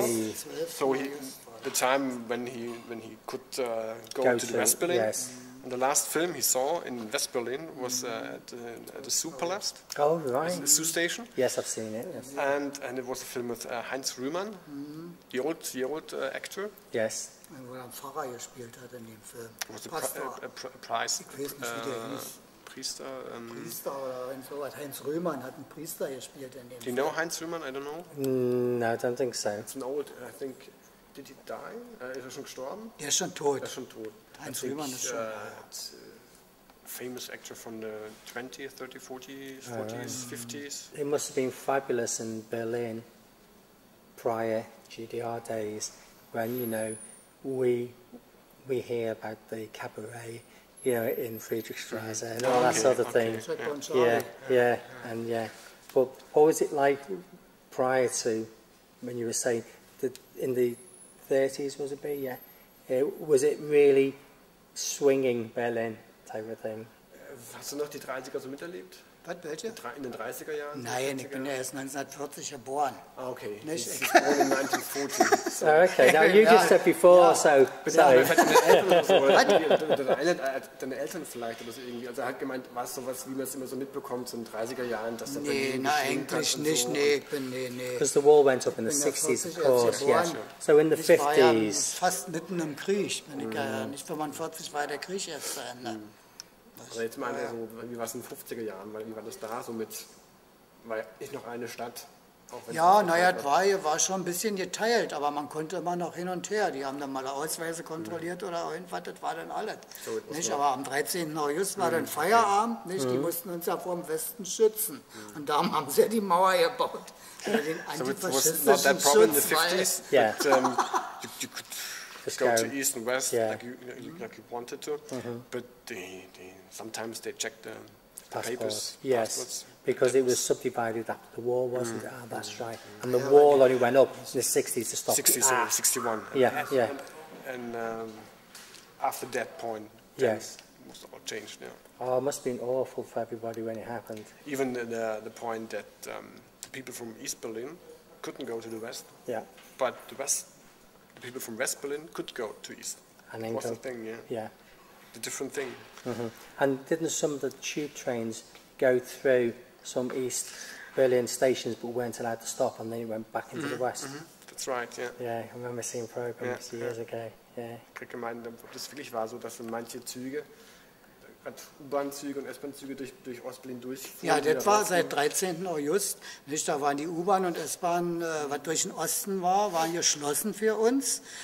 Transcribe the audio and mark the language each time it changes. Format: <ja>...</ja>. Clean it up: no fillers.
<en>So the time when he could go to the West Berlin. Yes. And the last film he saw in West Berlin was at the Zoo Palast. Oh right. The Zoo Station. Yes, I've seen it. Yes. And it was a film with Heinz Rühmann, mm-hmm. the old actor. Yes.</en> <de>Und wo er einen Pfarrer gespielt hat in dem Film. Was ein Priester? Priester oder so was. Heinz Rühmann hat einen Priester gespielt in dem Film.</de> <en>Do you know Heinz Rühmann? I don't know. No, I don't think so. It's an old, I think, did he die?</en> <de>Ist er schon gestorben? Er ist schon tot. Er ist schon tot. Heinz Rühmann ist schon tot.</de> <en>Famous actor from the 20s, 30s, 40s, 40s, 50s. He must have been fabulous in Berlin prior GDR days when, you know, we hear about the cabaret, you know, in Friedrichstrasse and all that sort of thing. But what was it like prior to when you were saying that in the 30s was it be? Yeah, was it really swinging Berlin type of thing?</en> <de>Hast du noch die 30er so miterlebt? Was, welche? In den 30er Jahren? Nein, 40er? Ich bin ja erst 1940 geboren.</de> <en>Ah, okay.</en> <de>Nicht? Ich bin</de> <en>born in 1940. So. Okay, now you just said before, ja. So.</en> <de>Ja, aber vielleicht deine Eltern vielleicht oder so irgendwie. Also er hat gemeint, war es sowas, wie man es immer so mitbekommt, so in den 30er Jahren, dass der Berlin geschwind hat. Nein, eigentlich nicht. So. Nee, ich bin, nee.</de> <en>Because the war went up in the 60s, of course. Yeah. So in the 50s.</en> <de>Ich war ja fast mitten im Krieg, bin ich ja. Nicht 45 war der Krieg erst zu Ende. Also jetzt mal so, wie war es in den 50er Jahren, weil wie war das da so mit, war ich noch eine Stadt? Auch ja, naja, war schon ein bisschen geteilt, aber man konnte immer noch hin und her. Die haben dann mal Ausweise kontrolliert oder irgendwas, das war dann alles. So, nicht? Aber am 13. August war dann Feierabend, nicht? Die mussten uns ja vor dem Westen schützen. Mhm. Und darum haben sie ja die Mauer gebaut.</de> <en>Go to east and west like you wanted to, mm-hmm. but they sometimes they check the papers. Yes, because it was subdivided after the war, wasn't it? Ah, that's right. And the wall only went up in the 60s to stop. 60s, 61. And after that point, it was all changed. Yeah. Oh, it must have been awful for everybody when it happened. Even the point that the people from East Berlin couldn't go to the west. Yeah. But the west. People from West Berlin could go to East. And then it was the thing, yeah. Yeah. The different thing. Mm-hmm. And didn't some of the tube trains go through some East Berlin stations but weren't allowed to stop and then it went back into the West? Mm-hmm. That's right, yeah. Yeah, I remember seeing programs years ago. Yeah.</en> <de>Ich meine, das wirklich war so, dass in manche Züge, gerade U-Bahn-Züge und S-Bahn-Züge durch Ost-Berlin durchfuhren. Ja, das war seit 13. August. Nicht? Da waren die U-Bahn und S-Bahn, was durch den Osten war, waren geschlossen für uns.</de>